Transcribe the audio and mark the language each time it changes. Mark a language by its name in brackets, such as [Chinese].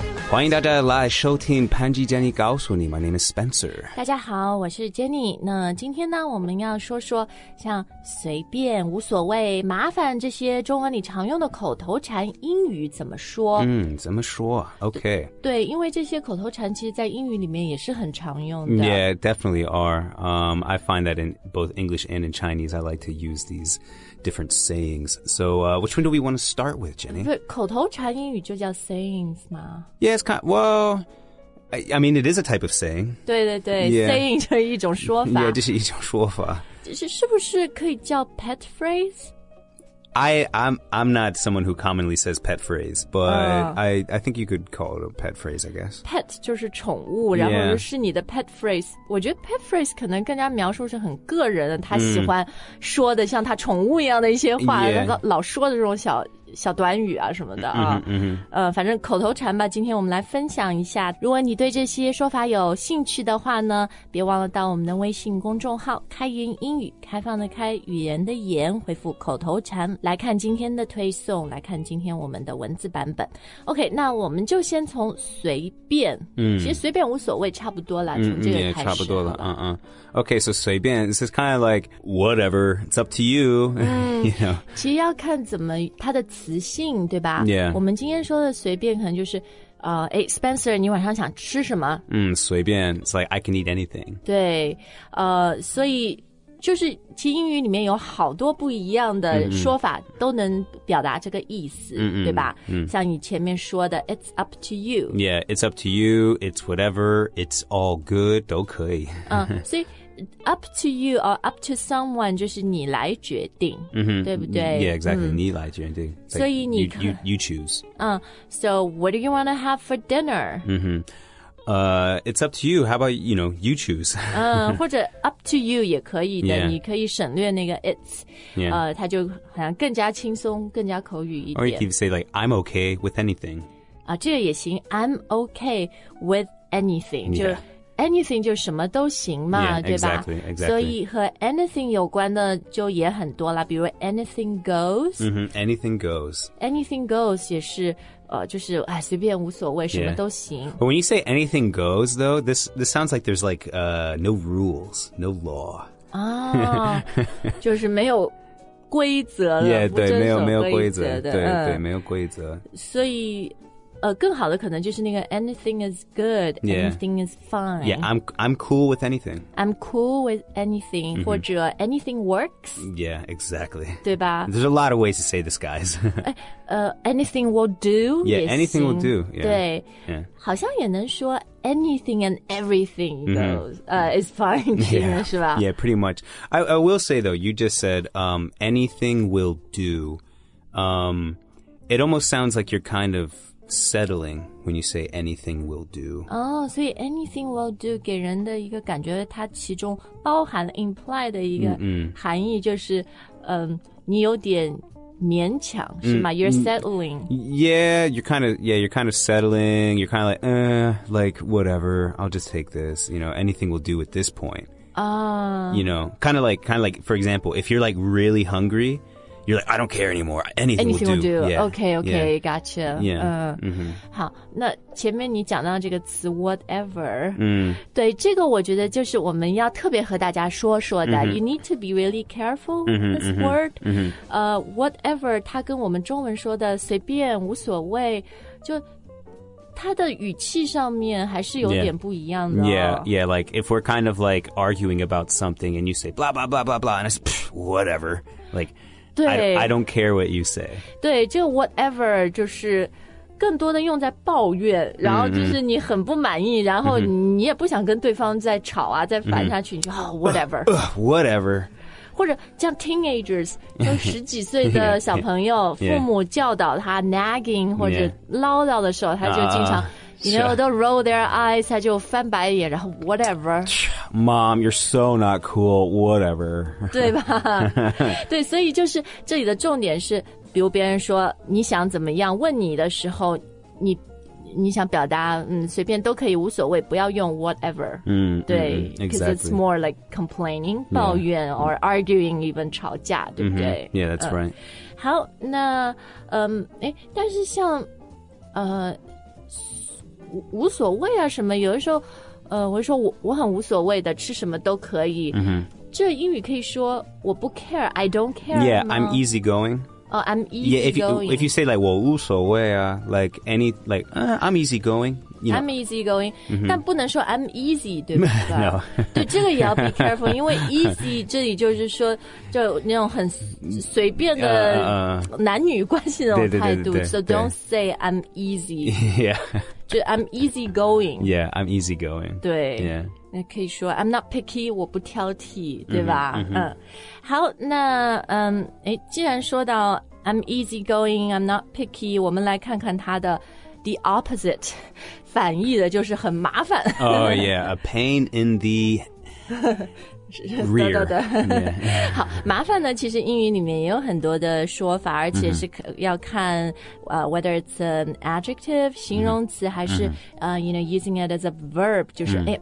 [Chinese] 欢迎大家来收听潘吉 Jenny 告诉你 [English] My name is Spencer [Chinese] 大家好我是 Jenny 那今天呢我们要说说像随便无所谓麻烦这些中文里常用的口头禅英语怎么说怎么说 OK 对因为这些口头禅其实在英语里面也是很常用的 [English] Yeah definitely are I find that in both English and in Chinese I like to use these different sayings So which one do we want to start with Jenny? [Chinese] 对口头禅英语就叫 sayings 吗 [English] Yeah, it's kind of, well, I mean, it is a type of saying. [Chinese] 对对对 yeah. saying 就是一种说法。 Yeah, 这是一种说法。是不是可以叫 pet phrase? [English] I'm not someone who commonly says pet phrase, but、I think you could call it a pet phrase, I guess. [Chinese] Pet 就是宠物然后就是你的 pet phrase. 我觉得 pet phrase 可能更加描述是很个人的他喜欢说的像他宠物一样的一些话、老说的这种小短语啊什么的啊、反正口头禅吧今天我们来分享一下如果你对这些说法有兴趣的话呢别忘了到我们的微信公众号开言英语开放的开语言的言回复口头禅来看今天的推送来看今天我们的文字版本 OK 那我们就先从随便其实随便无所谓差不多了从这个开始 [English] yeah, [Chinese] 差不多了 [English] OK so 随便 this is kind of like whatever it's up to you, you know. [Chinese] 其实要看怎么它的词性对吧、 [English] yeah. [Chinese] 我们今天说的随便可能就是Spencer 你晚上想吃什么 [English] 随便 It's like I can eat anything [Chinese] 对所以就是其实英语里面有好多不一样的说法都能表达这个意思对吧像你前面说的 [English] It's up to you Yeah, it's up to you It's whatever It's all good [Chinese] 都可以所以Up to you or up to someone 就是你来决定、对不对 [English] Yeah, exactly,、 [Chinese] 你来决定所以你 [English] you choose、 So what do you want to have for dinner?、 It's up to you, how about, you know, you choose [Chinese] 或者 up to you 也可以的、你可以省略那个 it's、它就好像更加轻松更加口语一点 [English] Or you can say like, I'm okay with anything、 [Chinese] 这个也行 [English] I'm okay with anything、 yeah. [Chinese] 就是Anything 就什么都行嘛 [English] yeah, [Chinese] 对吧 [English] exactly, exactly. [Chinese] 所以和 anything 有关的就也很多了比如 anything goes、 [English] anything goes [Chinese] anything goes 也是、就是随便无所谓、什么都行 [English] But when you say anything goes though this sounds like there's like、no rules no law [Chinese] 就是没有规则了 yeah, 对没有没有规则对对没有规则所以更好的可能就是那个 [English] anything is good, anything is fine. Yeah, I'm cool with anything. I'm cool with anything,、或者 anything works. Yeah, exactly. [Chinese] 对吧 [English] There's a lot of ways to say this, guys. anything will do. Yeah, anything will do. Yeah. [Chinese] 对、好像也能说 [English] anything and everything is fine, [Chinese] 、是吧 [English] Yeah, pretty much. I will say, though, you just said、anything will do.、it almost sounds like you're kind of... settling when you say anything will do. Oh, so anything will do 给人的一个感觉它其中包含 imply 的一个含义就是、你有点勉强是吗 You're settling. Yeah, you're kind of settling. You're kind of like, like, whatever. I'll just take this. You know, anything will do at this point. You know, kind of like, for example, if you're like really hungry,You're like, I don't care anymore. Anything will do. Okay, yeah. gotcha. Yeah.、 [Chinese] 好那前面你讲到这个词 whatever. 对这个我觉得就是我们要特别和大家说说的。 [English] You need to be really careful with this word. [Chinese] Whatever, 它跟我们中文说的随便无所谓就它的语气上面还是有点不一样的。 [English] Yeah, like if we're kind of like arguing about something and you say blah, blah, blah, blah, blah, and it's whatever, like,I don't care what you say. [Chinese] 对，这个 whatever 就是更多的用在抱怨，然后就是你很不满意，然后你也不想跟对方再吵啊，再烦下去，你就whatever. [English] Whatever. [Chinese] 或者像 teenagers, 就十几岁的小朋友，父母教导他 nagging 或者唠叨的时候，他就经常 [English] You know, they'll roll their eyes, [Chinese] 他就翻白眼然后 whatever. [English] Mom, you're so not cool, whatever. [Chinese] 对吧对所以就是这里的重点是比如别人说你想怎么样问你的时候你想表达随便都可以无所谓不要用 whatever. 对 [English] exactly. Because it's more like complaining, 抱怨 or arguing, even 吵架对不对 Yeah, that's right. [Chinese] 好那但是像无所谓啊什么，有的时候我会说 我很无所谓的，吃什么都可以、 mm-hmm. 这英语可以说我不 care, [English] I don't care. Yeah, I'm easy going. Oh, I'm easy going. If you say like [Chinese] 我无所谓啊 [English] like any, like, I'm easy going, you know. I'm easy going、mm-hmm. [Chinese] 但不能说 I'm easy, 对吧 [English] No. [Chinese] 对，这个也要 be careful, 因为 easy 这里就是说就那种很随便的男女关系那种态度对 [English] So don't say I'm easy. Yeah. I'm easy going. Yeah, I'm easy going. [Chinese] 对、 [English] yeah. [Chinese] 可以说 [English] I'm not picky, [Chinese] 我不挑剔，对吧、 mm-hmm, mm-hmm. 好，那、既然说到 [English] I'm easy going, I'm not picky, [Chinese] 我们来看看它的 [English] the opposite, [Chinese] 反义的就是很麻烦。 [English] Oh yeah, a pain in the rear. [Chinese] 对对对、yeah. 好，麻烦呢其实英语里面也有很多的说法，而且是要看、 [English] whether it's an adjective [Chinese] 形容词、mm-hmm. 还是、 [English] you know, using it as a verb [Chinese] 就是、mm-hmm.